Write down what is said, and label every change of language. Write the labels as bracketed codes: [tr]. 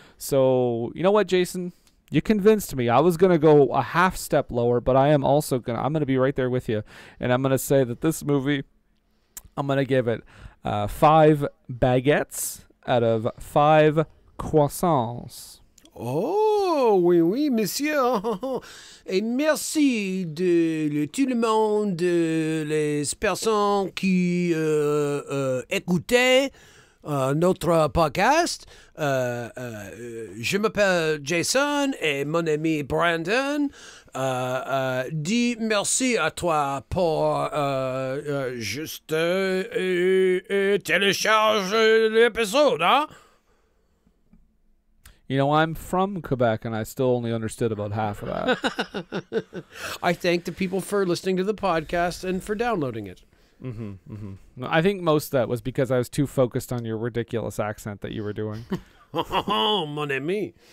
[en] So, you know what, Jason? You convinced me. I was going to go a half step lower, but I am also going to, I'm going to be right there with you. And I'm going to say that this movie, I'm going to give it 5 baguettes out of 5 croissants. [fr] Oh, oui, oui, monsieur. Et merci de le tout le monde, les personnes qui écoutaient notre podcast. Je m'appelle Jason et mon ami Brandon. Dis merci à toi pour juste et télécharge l'épisode, hein? [en] You know, I'm from Quebec and I still only understood about half of that. I thank the people for listening to the podcast and for downloading it. Mm-hmm, mm-hmm. I think most of that was because I was too focused on your ridiculous accent that you were doing. [fr] Oh, mon ami.